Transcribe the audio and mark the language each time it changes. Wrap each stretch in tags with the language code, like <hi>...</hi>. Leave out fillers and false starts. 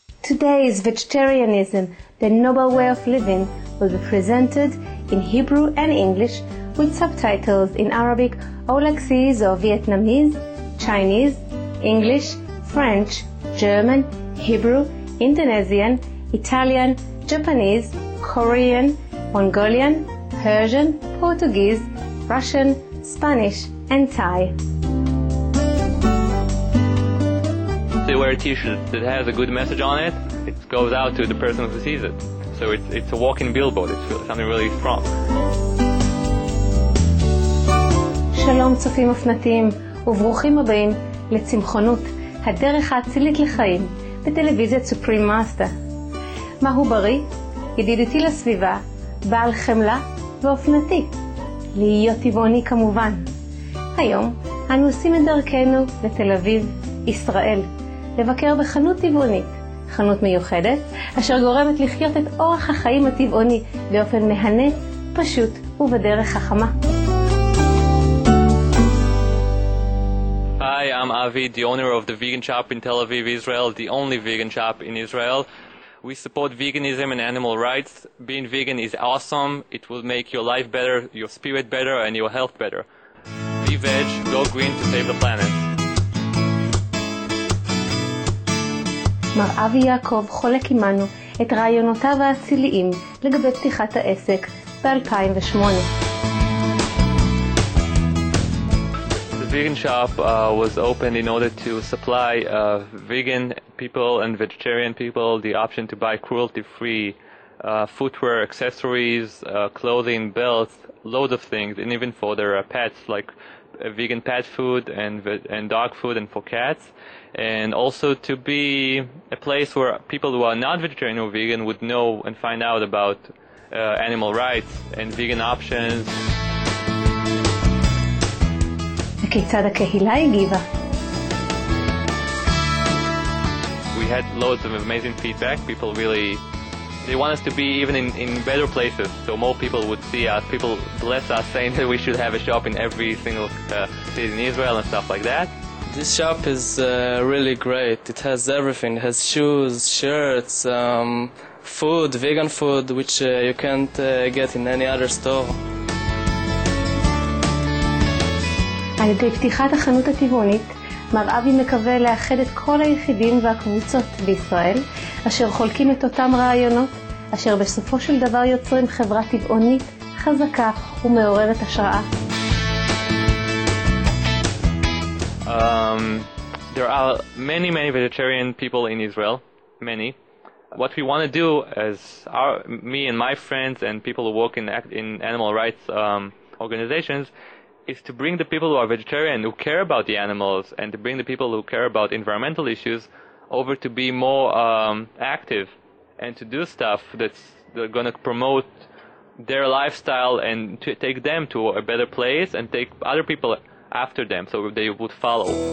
<en>Today's Vegetarianism, the Noble Way of Living, will be presented in Hebrew and English with subtitles in Arabic, Olaxese or Vietnamese, Chinese, English, French, German, Hebrew, Indonesian, Italian, Japanese, Korean, Mongolian, Persian, Portuguese, Russian, Spanish, and Thai. They wear a t-shirt that has a good message on it. It goes out to the person who sees it. So it's a walking billboard. It's something really strong.</en> <he>שלום צופים אופנתיים וברוכים הבאים לצמחונות, הדרך האצילית לחיים בטלוויזיית סופרים מאסטר. מהו בריא? ידידתי לסביבה, בעל חמלה ואופנתי. להיות טבעוני כמובן. היום אנו עושים את דרכנו לתל אביב, ישראל, לבקר בחנות טבעונית, חנות מיוחדת, אשר גורמת לחיות את אורח החיים הטבעוני באופן מהנה, פשוט ובדרך חכמה.</he> <en>Hi, I'm Avi, the owner of the vegan shop in Tel Aviv, Israel, the only vegan shop in Israel. We support veganism and animal rights. Being vegan is awesome. It will make your life better, your spirit better, and your health better. Be veg, go green to save the planet.</en> <he>מר אבי יעקב חולק עמנו את רעיונותיו האציליים לגבי פתיחת העסק ב-2008.</he> <en>Vegan shop was opened in order to supply vegan people and vegetarian people the option to buy cruelty-free footwear, accessories, clothing, belts, loads of things, and even for their pets, like vegan pet food and dog food and for cats, and also to be a place where people who are not vegetarian or vegan would know and find out about animal rights and vegan options.</en> <he>כיצד הקהילה הגיבה?</he> <en>We had loads of amazing feedback. People really, they want us to be even in better places, so more people would see us. People bless us saying that we should have a shop in every single city in Israel and stuff like that. This shop is really great. It has everything. It has shoes, shirts, food, vegan food, which you can't get in any other store.</en> <he>על ידי פתיחת החנות הטבעונית, מר אבי מקווה לאחד את כל היחידים והקבוצות בישראל, אשר חולקים את אותם רעיונות, אשר בסופו של דבר יוצרים חברה טבעונית, חזקה ומעוררת השראה.</he> <en>There are many, many vegetarian people in Israel, many. What we want to do is, me and my friends and people who work in animal rights organizations, is to bring the people who are vegetarian, who care about the animals, and to bring the people who care about environmental issues over to be more active and to do stuff that's going to promote their lifestyle and to take them to a better place and take other people after them so they would follow.</en>